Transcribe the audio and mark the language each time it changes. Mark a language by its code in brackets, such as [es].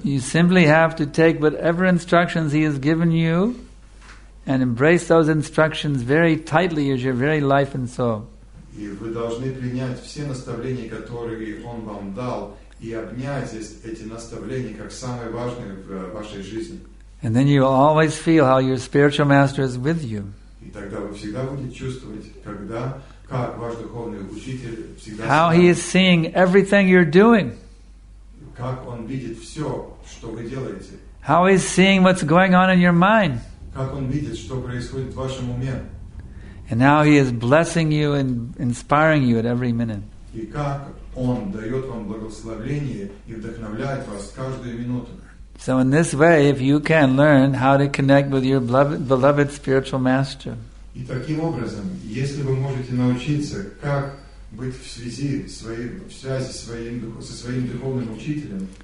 [en] you simply have to take whatever instructions he has given you and embrace those instructions very tightly as your very life and soul. [ru] И вы должны принять все наставления, которые он вам дал, и обнять эти наставления как самые важные в вашей жизни. [en] And then you always feel how your spiritual master is with you. [ru] И тогда вы всегда будете чувствовать, когда как ваш духовный учитель всегда. [en] How he is seeing everything you're doing. [ru] Как он видит все, что вы делаете. [en] How he is seeing what's going on in your mind. [ru] Как он видит, что происходит в вашем уме. [en] And how he is blessing you and inspiring you at every minute. [ru] И как он дает вам благословение и вдохновляет вас каждую минуту. [en] So in this way, if you can learn how to connect with your beloved spiritual master, [ru] и таким образом, если вы можете научиться, как быть в связи со своим духовным учителем,